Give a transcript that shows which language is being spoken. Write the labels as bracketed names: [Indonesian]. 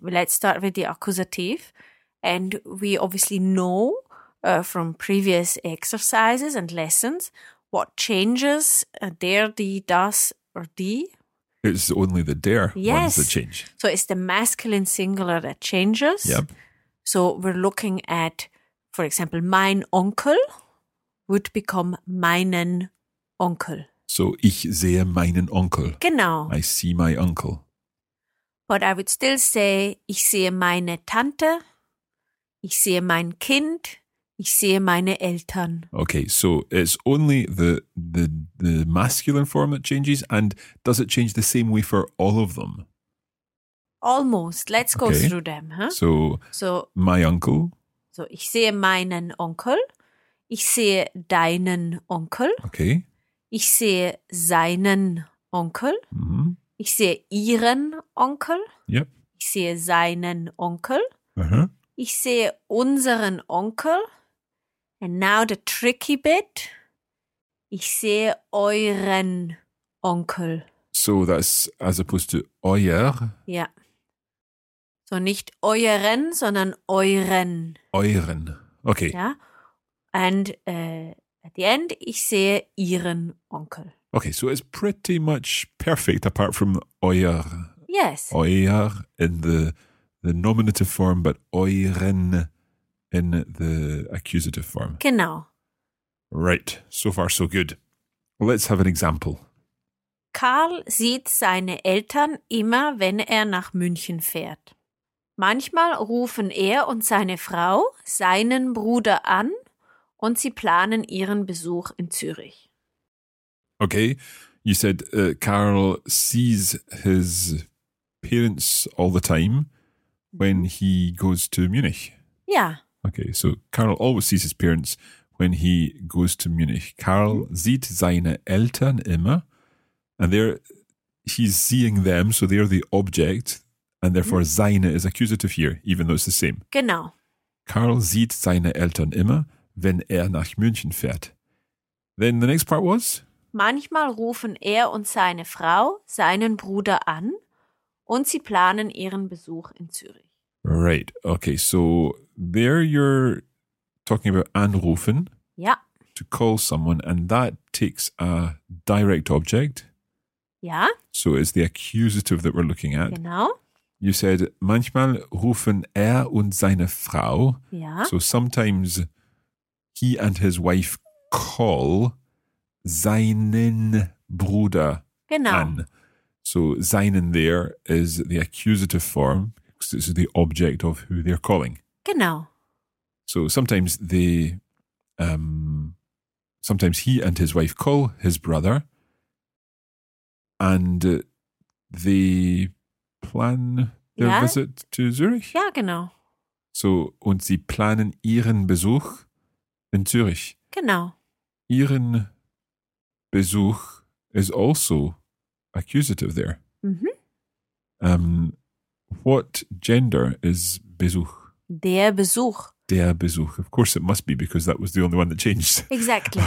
[English] Let's start with the accusative. And we obviously know from previous exercises and lessons what changes der, die, das, or die. It's only the der ones that change. So it's the masculine singular that changes. Yep. So we're looking at, for example, mein Onkel would become meinen Onkel. [German] So ich sehe meinen Onkel. Genau. [English] I see my uncle. But I would still say [German] ich sehe meine Tante, ich sehe mein Kind, ich sehe meine Eltern. [English] Okay, so it's only the masculine form that changes, and does it change the same way for all of them? Almost. Let's go through them. Huh? So my uncle. [German] So ich sehe meinen Onkel. Ich sehe deinen Onkel. [English] Okay. [German] Ich sehe seinen Onkel. Mm-hmm. Ich sehe ihren Onkel. [English] Yep. [German] Ich sehe seinen Onkel. Uh-huh. Ich sehe unseren Onkel. [English] And now the tricky bit. [German] Ich sehe euren Onkel. [English] So that's as opposed to euer. Yeah. [German] So nicht euren, sondern euren. Euren. Okay. [English] Yeah. And at the end, [German] ich sehe ihren Onkel. [English] Okay, so it's pretty much perfect apart from euer. Yes. Euer in the nominative form, but euren in the accusative form. [German] Genau. [English] Right, so far so good. Let's have an example. [German] Karl sieht seine Eltern immer, wenn er nach München fährt. Manchmal rufen er und seine Frau seinen Bruder an, und sie planen ihren Besuch in Zürich. [English] Okay, you said Karl sees his parents all the time when he goes to Munich. Yeah. Okay, so Karl always sees his parents when he goes to Munich. [German] Karl sieht seine Eltern immer. [English] And there, he's seeing them, so they're the object. And therefore, seine is accusative here, even though it's the same. [German] Genau. Karl sieht seine Eltern immer, wenn er nach München fährt. [English] Then the next part was? [German] Manchmal rufen er und seine Frau seinen Bruder an und sie planen ihren Besuch in Zürich. [English] Right, okay, so there you're talking about anrufen. [German] Ja. [English] to call someone, and that takes a direct object. Yeah. So it's the accusative that we're looking at. [German] Genau. [English] You said, [German] manchmal rufen und seine Frau. [English] Yeah. So sometimes he and his wife call seinen Bruder [German] genau. an. [English] So seinen there is the accusative form, because it's the object of who they're calling. [German] Genau. [English] So sometimes they, sometimes he and his wife call his brother, and they plan their visit to Zurich. [German] Ja, genau. So, und sie planen ihren Besuch in Zürich. Genau. [English] Ihren Besuch is also accusative there. Mm-hmm. What gender is Besuch? [German] Der Besuch. Der Besuch. [English] Of course it must be, because that was the only one that changed. Exactly.